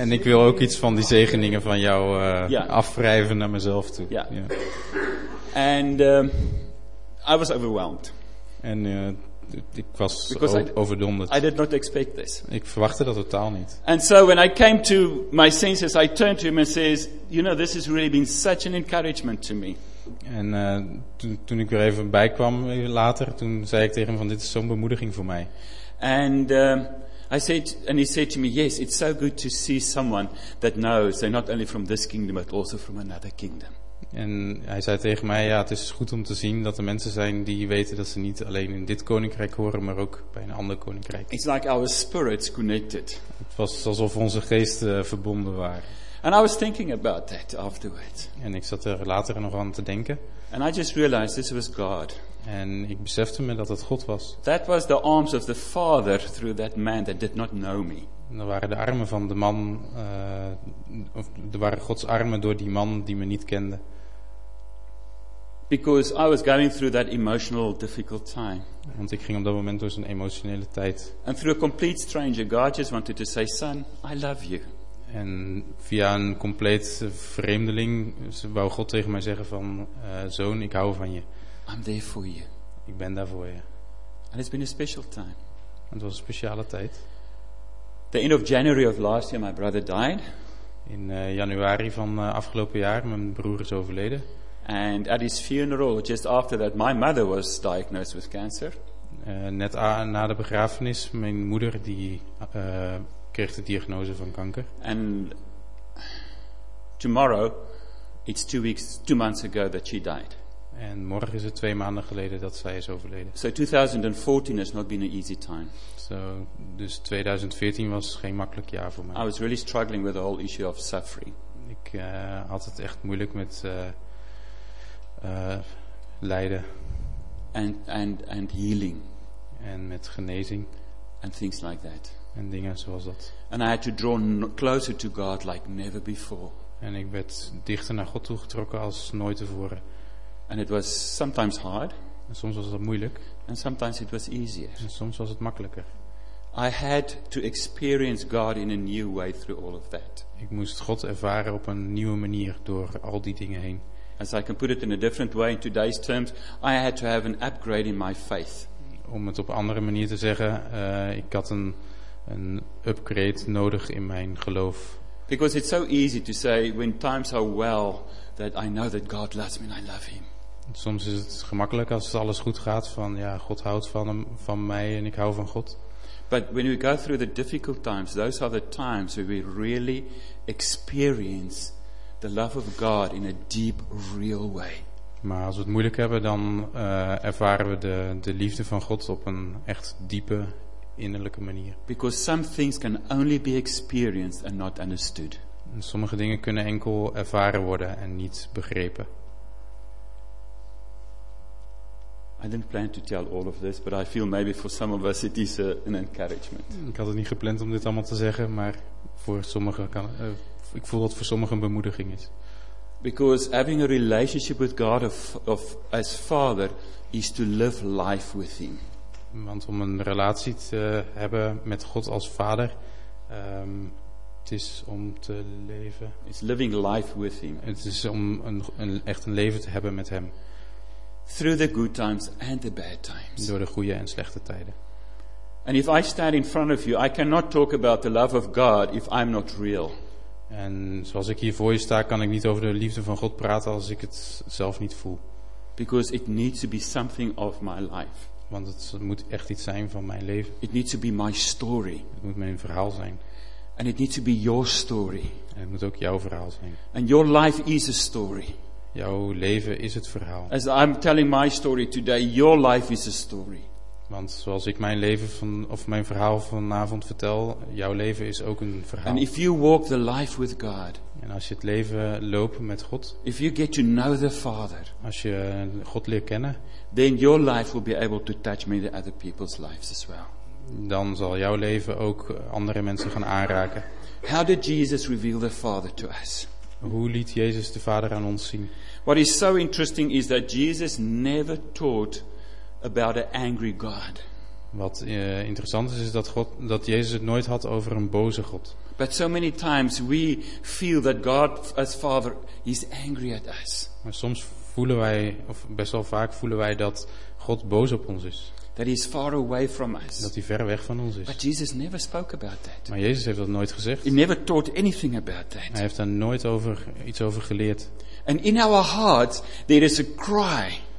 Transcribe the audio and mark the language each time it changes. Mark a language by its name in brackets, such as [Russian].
[Dutch] En ik wil ook iets van die zegeningen van jou afwrijven naar mezelf toe. [English] Ja. Yeah. Yeah. And I was overwhelmed. [Dutch] En ik was overdonderd. [English] I did not expect this. [Dutch] Ik verwachtte dat totaal niet. [English] And so when I came to my senses, I turned to him and says, "You know, this has really been such an encouragement to me." [Dutch] En toen ik er even bij kwam later, toen zei ik tegen hem van, dit is zo'n bemoediging voor mij. [English] And he said to me, "Yes, it's so good to see someone that knows they're not only from this kingdom, but also from another kingdom." [Dutch] En hij zei tegen mij, ja, het is goed om te zien dat er mensen zijn die weten dat ze niet alleen in dit koninkrijk horen, maar ook bij een ander koninkrijk. [English] It's like our spirits connected. [Dutch] Het was alsof onze geesten verbonden waren. [English] And I was thinking about that afterwards. [Dutch] En ik zat er later nog aan te denken. [English] And I just realized this was God. [Dutch] En ik besefte me dat het God was. [English] That was the arms of the Father through that man that did not know me. [Dutch] Dat waren de armen van de man, of er waren Gods armen door die man die me niet kende. [English] Because I was going through that emotional difficult time. [Dutch] Want ik ging op dat moment door zo'n emotionele tijd. [English] And through a complete stranger, God just wanted to say, "Son, I love you." [Dutch] En via een compleet vreemdeling wou God tegen mij zeggen van, zoon, ik hou van je. [English] I'm there for you. [Dutch] Ik ben daar voor je. [English] And it's been a special time. [Dutch] En het was een speciale tijd. [English] The end of January of last year, my brother died. [Dutch] In januari van afgelopen jaar, mijn broer is overleden. [English] And at his funeral, just after that, my mother was diagnosed with cancer. [Dutch] Net na de begrafenis, mijn moeder die kreeg de diagnose van kanker. [English] And tomorrow, it's 2 months ago that she died. [Dutch] En morgen is het 2 maanden geleden dat zij is overleden. [English] So 2014 has not been an easy time. [Dutch] Dus 2014 was geen makkelijk jaar voor mij. [English] I was really struggling with the whole issue of suffering. [Dutch] Ik had het echt moeilijk met lijden. [English] and healing. [Dutch] En met genezing. [English] And things like that. [Dutch] En dingen zoals dat. [English] And I had to draw closer to God like never before. [Dutch] En ik werd dichter naar God toegetrokken als nooit tevoren. [English] And it was sometimes hard. [Dutch] En soms was het moeilijk. [English] And sometimes it was easier. [Dutch] En soms was het makkelijker. [English] I had to experience God in a new way through all of that. [Dutch] Ik moest God ervaren op een nieuwe manier door al die dingen heen. [English] As I can put it in a different way in today's terms, I had to have an upgrade in my faith. [Dutch] Om het op andere manier te zeggen, ik had een upgrade nodig in mijn geloof. [English] Because it's so easy to say when times are well that I know that God loves me and I love him. [Dutch] Soms is het gemakkelijk als alles goed gaat van ja, God houdt van mij en ik hou van God. [English] But when we go through the difficult times, those are the times where we really experience the love of God in a deep, real way. [Dutch] Maar als we het moeilijk hebben, dan ervaren we de liefde van God op een echt diepe, innerlijke manier. [English] Because some things can only be experienced and not understood. [Dutch] En sommige dingen kunnen enkel ervaren worden en niet begrepen. [English] I didn't plan to tell all of this, but I feel maybe for some of us it is an encouragement. [Dutch] Ik had het niet gepland om dit allemaal te zeggen, maar voor sommigen kan ik voel dat het voor sommigen een bemoediging is. [English] Because having a relationship with God of as Father is to live life with him. [Dutch] Want om een relatie te hebben met God als Vader, het is om te leven. [English] It's living life with him. [Dutch] Het is om een leven te hebben met hem. [English] Through the good times and the bad times. [Dutch] Door de goede en slechte tijden. [English] And if I stand in front of you, I cannot talk about the love of God if I'm not real. [Dutch] En zoals ik hier voor je sta, kan ik niet over de liefde van God praten als ik het zelf niet voel. [English] Because it needs to be something of my life. [Dutch] Want het moet echt iets zijn van mijn leven. [English] It needs to be my story. [Dutch] Het moet mijn verhaal zijn. [English] And it needs to be your story. [Dutch] En het moet ook jouw verhaal zijn. [English] And your life is a story. [Dutch] Jouw leven is het verhaal. [English] As I'm telling my story today, your life is a story. [Dutch] Want zoals ik mijn leven van of mijn verhaal vanavond vertel, jouw leven is ook een verhaal. [English] And if you walk the life with God. [Dutch] En als je het leven loopt met God. [English] If you get to know the Father. [Dutch] Als je God leert kennen. [English] Then your life will be able to touch many other people's lives as well. [Dutch] Dan zal jouw leven ook andere mensen gaan aanraken. [English] How did Jesus reveal the Father to us? [Dutch] Hoe liet Jezus de Vader aan ons zien? [English] What is so interesting is that Jesus never taught about an angry God. [Dutch] Wat interessant is dat God, dat Jezus het nooit had over een boze God. [English] But so many times we feel that God as Father is angry at us. [Dutch] Maar soms voelen wij, of best wel vaak voelen wij dat God boos op ons is. [English] That he is far away from us. [Dutch] Dat hij ver weg van ons is. [English] But Jesus never spoke about that. [Dutch] Maar Jezus heeft dat nooit gezegd. [English] He never taught anything about that. [Dutch] Hij heeft daar nooit over iets over geleerd. [English] And in our hearts there is a cry.